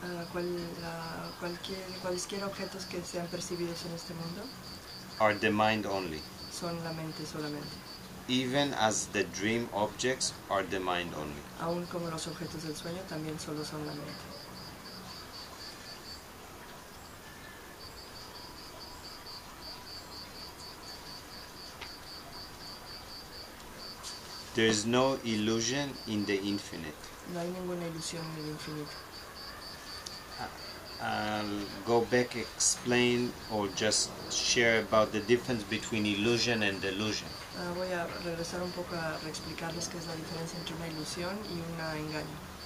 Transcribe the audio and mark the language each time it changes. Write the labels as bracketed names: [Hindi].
[Spanish] cualquier objetos que sean percibidos en este mundo, [English] are the mind only. [Spanish] Son la mente solamente. [English] Even as the dream objects are the mind only. [Spanish] Aun como los objetos del sueño también solo son la mente. [English] There is no illusion in the infinite. [Spanish] No hay ninguna ilusión en el infinito. [English] I'll go back, explain, or just share about the difference between illusion and delusion. [Spanish] Voy a regresar un poco a explicarles qué es la diferencia entre una ilusión y un engaño.